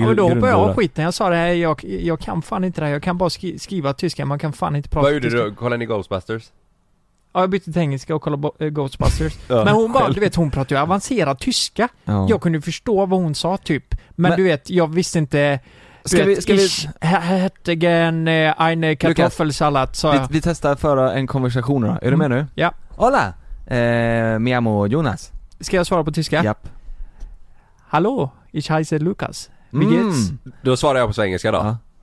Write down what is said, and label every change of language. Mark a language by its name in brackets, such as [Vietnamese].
[Swedish] ja, då hoppade jag av skiten. Jag sa det här, jag kan fan inte det här. Jag kan bara skriva tyska. Man kan fan inte prata. Vad gjorde du? Kollade ni Ghostbusters? Ja, jag bytte till engelska och kollade Ghostbusters. Men hon bara, du vet, hon pratade ju avancerad tyska. Ja. Jag kunde förstå vad hon sa typ. Men du vet, jag visste inte. [German] Hättigen eine kartoffelsalat. [Swedish] Vi testar föra en konversation då. Är du med nu? Ja. [Spanish] Hola! Mi amo Jonas. [Swedish] Ska jag svara på tyska? Ja. Yep. [German] Hallå, ich heiße Lukas. Wie geht's? [Swedish] Då svarar jag på svenska då.